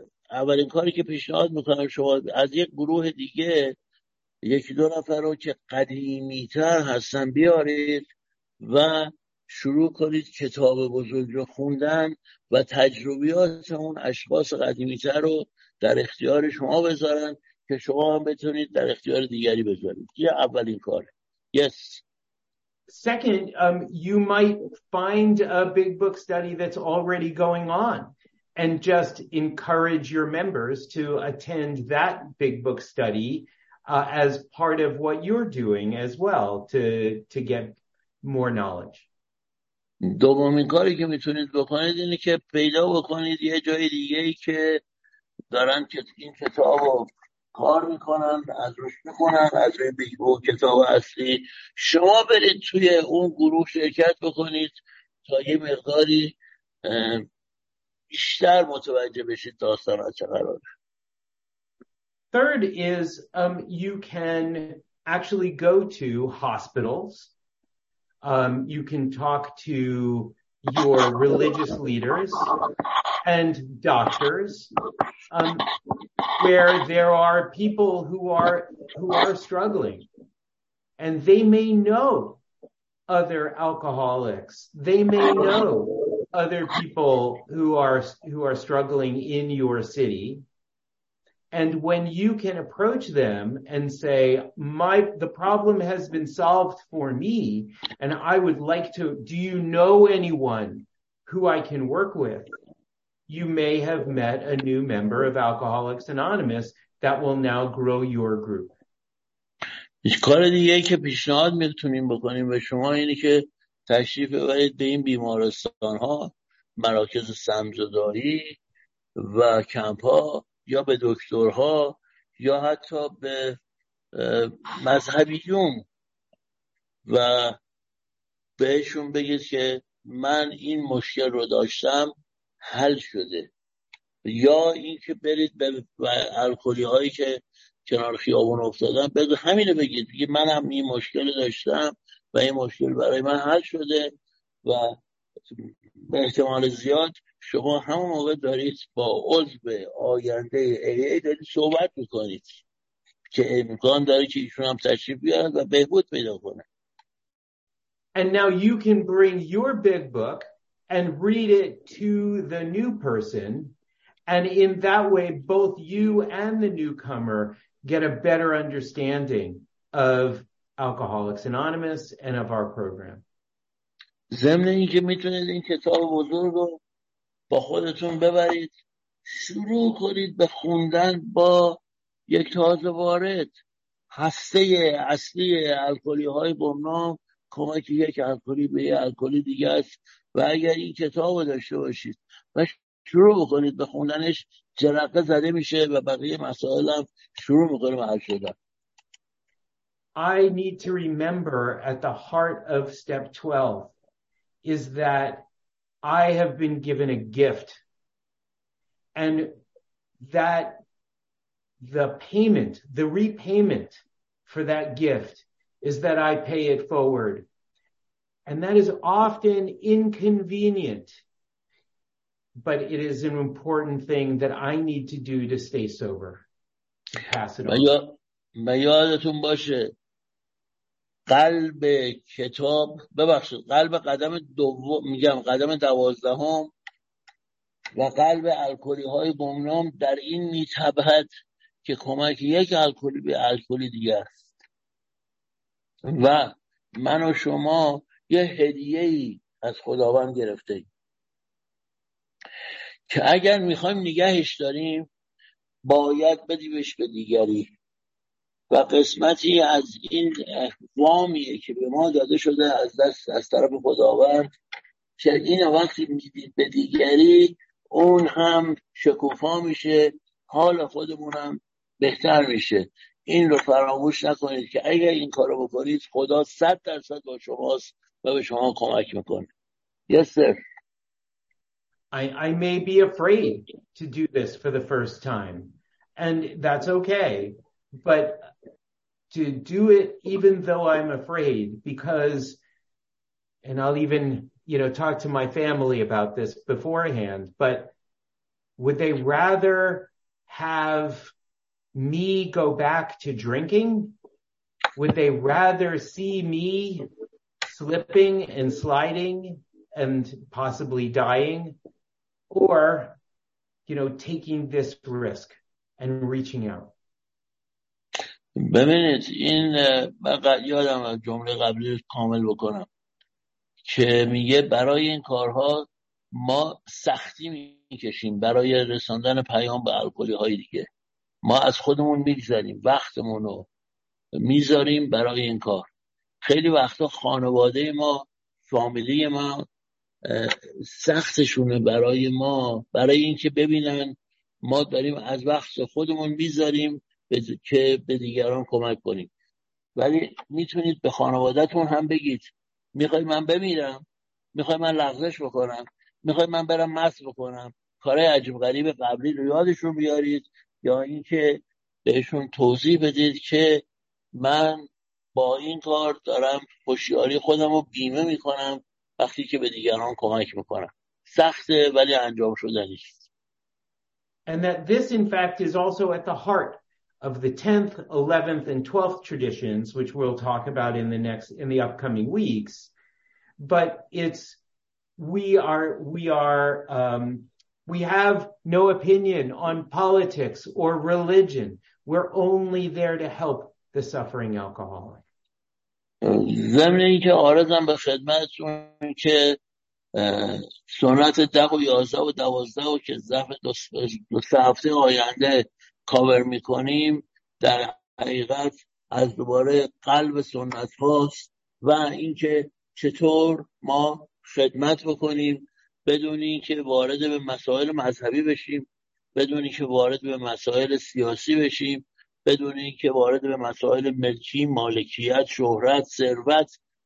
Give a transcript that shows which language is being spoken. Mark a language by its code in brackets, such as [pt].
[fa] اولین کاری که پیشنهاد میکنم شما از یک گروه دیگه یکی دو نفر رو که قدیمی تر هستن بیارید و شروع کنید کتاب بزرگ رو خوندن و تجربیات اون اشخاص قدیمی تر رو در اختیار شما بذارن که شما هم بتونید در اختیار دیگری بذارید. یه اولین کاره. [en] Yes. Second, you might find a big book study that's already going on and just encourage your members to attend that big book study as part of what you're doing as well to get more knowledge. [fa] دومین کاری که میتونید بکنید اینه که پیدا بکنید یه جای دیگه ای که دارن این کتاب رو کار میکنن، از روش میکنن، از روی بیگ بو کتاب اصلی، شما برید توی اون گروه شرکت بکنید تا یه مقداری بیشتر متوجه بشید داستان ها چه قراره. [en] Third is you can actually go to hospitals. You can talk to your religious leaders and doctors, where there are people who are struggling, and they may know other alcoholics. They may know other people who are struggling in your city. And when you can approach them and say, the problem has been solved for me, and I would like to, do you know anyone who I can work with? You may have met a new member of Alcoholics Anonymous that will now grow your group. [fa] یک کار دیگه که پیشنهاد میتونیم بکنیم به شما اینه که تشریف ببرید به این بیمارستان ها، مراکز سمزدائی و کمپ ها، یا به دکترها، یا حتی به مذهبیون و بهشون بگید که من این مشکل رو داشتم حل شده، یا اینکه برید به الکلی هایی که کنار خیابون افتادن بگید، همینه بگید، بگید من هم این مشکل داشتم و این مشکل برای من حل شده و به احتمال زیاد شما همون موقع دارید با عضو آینده ای دارید صحبت میکنید که امکان داره که ایشون هم تشریف بیارن و بهبود پیدا کنه. [en] And now you can bring your big book and read it to the new person, and in that way both you and the newcomer get a better understanding of Alcoholics Anonymous and of our program. [fa] ضمن اینکه میتونید این کتاب بزرگ رو با خودتون ببرید، شروع کنید به خوندن با یک تازه وارد. هسته اصلی الکلی های بمنام کمک یک الکلی به یک الکلی دیگه است، و اگر این کتاب رو داشته باشید و شروع کنید به خوندنش، جرقه زده میشه و بقیه مسائل هم شروع میکنه حل شدن. [en] I need to remember at the heart of step 12 is that I have been given a gift, and that the payment, the repayment for that gift is that I pay it forward. And that is often inconvenient, but it is an important thing that I need to do to stay sober, to pass it on. [fa] قلب کتاب، ببخشید، قلب قدم دوم، میگم قدم دوازدهم، و قلب الکلی های بمنام در این میتبهد که کمک یک الکلی به الکلی دیگه است، و من و شما یه هدیه ای از خداوند گرفته ایم که اگر میخوایم نگهش داریم باید بدیمش به دیگری، و قسمتی از این وامیه که به ما داده شده از دست، از طرف خداوند، که این وقتی میدید به دیگری اون هم شکوفا میشه، حال خودمون هم بهتر میشه. این رو فراموش نکنید که اگر این کارو بکنید خدا 100% با شماست و به شما کمک میکنه. [en] Yes sir. I may be afraid to do this for the first time, and that's okay. But to do it, even though I'm afraid, because, and I'll even, you know, talk to my family about this beforehand, but would they rather have me go back to drinking? Would they rather see me slipping and sliding and possibly dying, or, you know, taking this risk and reaching out? [fa] ببینید، این فقط یادم از جمله قبلی کامل بکنم که میگه برای این کارها ما سختی میکشیم، برای رساندن پیام به الکلی های دیگه ما از خودمون میگذاریم، وقتمون رو میذاریم برای این کار. خیلی وقتا خانواده ما، فامیلی ما سختشونه برای ما، برای اینکه ببینن ما داریم از وقت خودمون میذاریم که به دیگران کمک کنیم. ولی میتونید به خانوادتون هم بگید میخوای من بمیرم، میخوای من لغزش بکنم، میخوای من برم مست بکنم، کارهای عجیب غریب قبلی رو یادشون بیارید، یا اینکه بهشون توضیح بدید که من با این کار دارم هوشیاری خودم رو بیمه میکنم وقتی که به دیگران کمک میکنم. سخته ولی انجام شدنیه. [en] And that this in fact is also at the heart of the 10th, 11th, and 12th traditions, which we'll talk about in the upcoming weeks. But we have no opinion on politics or religion. We're only there to help the suffering alcoholic. [fa] زمینه این که عارضم به خدمتتون که سنت 10 و 11 و 12 و که ظرف دو سه هفته آینده کاور میکنیم، در حقیقت از دوباره قلب سنت هاست، و اینکه چطور ما خدمت بکنیم بدون اینکه وارد به مسائل مذهبی بشیم، بدون اینکه وارد به مسائل سیاسی بشیم، بدون اینکه وارد به مسائل ملکی، مالکیت، شهرت، ثروت